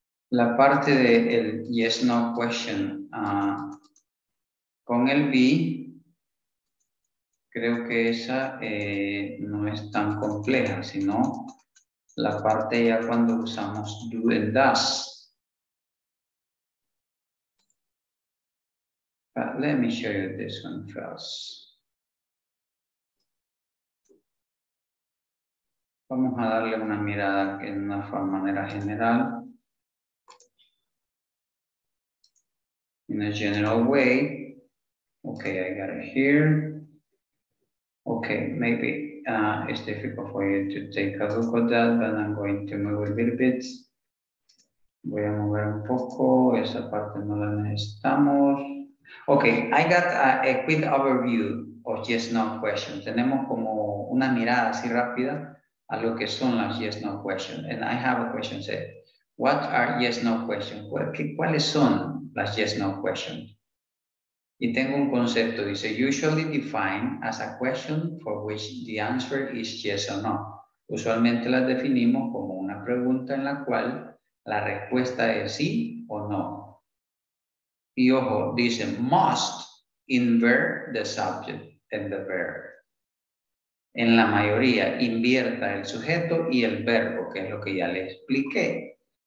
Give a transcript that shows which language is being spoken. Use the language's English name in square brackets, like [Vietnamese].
[Spanish] La parte del yes, no question con el be, creo que esa no es tan compleja, sino la parte ya cuando usamos do and does. [English] But let me show you this one first. [Spanish] Vamos a darle una mirada que en una manera general. [English] In a general way. Okay, I got it here. Okay, maybe it's difficult for you to take a look at that, but I'm going to move a little bit. [Spanish] Voy a mover un poco, esa parte no la necesitamos. [English] Okay, I got a quick overview of yes, no questions. [Spanish] Tenemos como una mirada así rápida a lo que son las yes, no questions. [English] And I have a question set. What are yes, no questions? [Spanish] ¿Cuáles son las yes, no questions? Y tengo un concepto, dice, [English] usually defined as a question for which the answer is yes or no. [Spanish] Usualmente las definimos como una pregunta en la cual la respuesta es sí o no. Y ojo, dice, [English] must invert the subject and the verb. [Spanish] En la mayoría, invierta el sujeto y el verbo, que es lo que ya le expliqué.